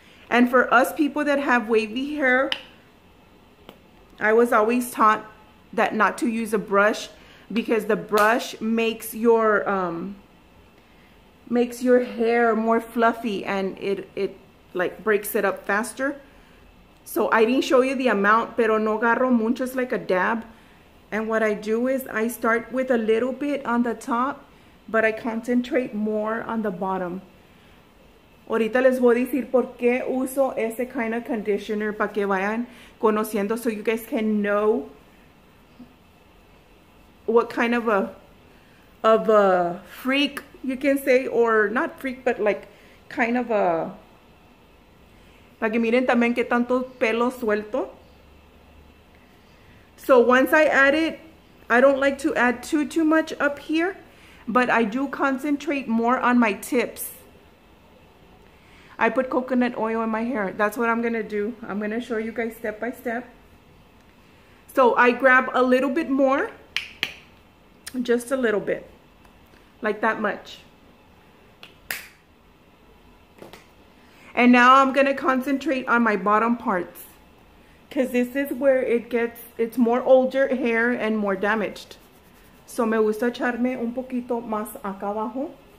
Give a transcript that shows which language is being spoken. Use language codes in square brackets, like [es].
[en] And for us people that have wavy hair, I was always taught that not to use a brush, because the brush makes your hair more fluffy, and it like breaks it up faster. So I didn't show you the amount, [es] pero no agarro mucho, [en] like a dab. And what I do is I start with a little bit on the top, but I concentrate more on the bottom. [es] Ahorita les voy a decir por qué uso ese [en] kind of conditioner, [es] para que vayan conociendo, [en] so you guys can know what kind of a freak, you can say, or not freak, but like kind of a, [es] para que miren también que tanto pelo suelto. [en] So once I add it, I don't like to add too much up here, but I do concentrate more on my tips. I put coconut oil in my hair. That's what I'm gonna do. I'm gonna show you guys step by step. So I grab a little bit more, just a little bit, like that much. And now I'm gonna concentrate on my bottom parts, because this is where it gets, it's more older hair and more damaged. [es] So me gusta echarme un poquito más acá abajo.